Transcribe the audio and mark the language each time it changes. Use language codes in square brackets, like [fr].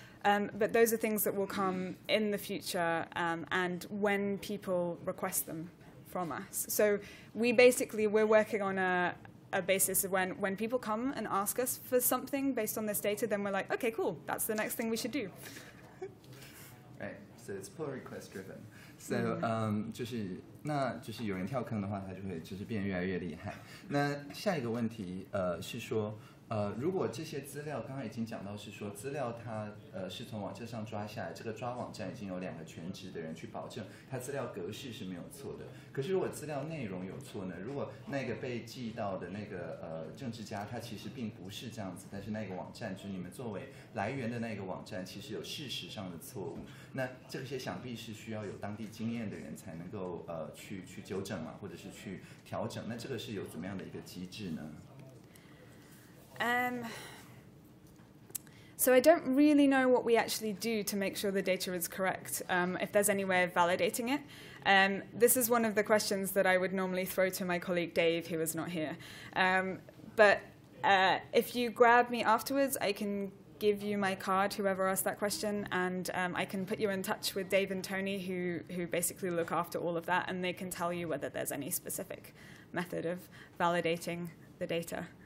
[en] But those are things that will come in the future and when people request them from us. So we're working on a basis of when people come and ask us for something based on this data, then we're like, okay, cool, that's the next thing we should do. Right, so it's pull request driven. So, mm-hmm. [zh] 就是那就是有人跳坑的话，他就会就是变越来越厉害。那下一个问题，是说，如果这些资料刚刚已经讲到是说资料它是从网站上抓下来，这个抓网站已经有两个全职的人去保证它资料格式是没有错的，可是如果资料内容有错呢？如果那个被寄到的那个政治家他其实并不是这样子，但是那个网站就是你们作为来源的那个网站其实有事实上的错误，那这些想必是需要有当地经验的人才能够去纠正嘛，或者是去调整，那这个是有怎么样的一个机制呢？ [en] So I don't really know what we actually do to make sure the data is correct, if there's any way of validating it. This is one of the questions that I would normally throw to my colleague Dave, who is not here. But if you grab me afterwards, I can give you my card, whoever asked that question, and I can put you in touch with Dave and Tony, who basically look after all of that, and they can tell you whether there's any specific method of validating the data.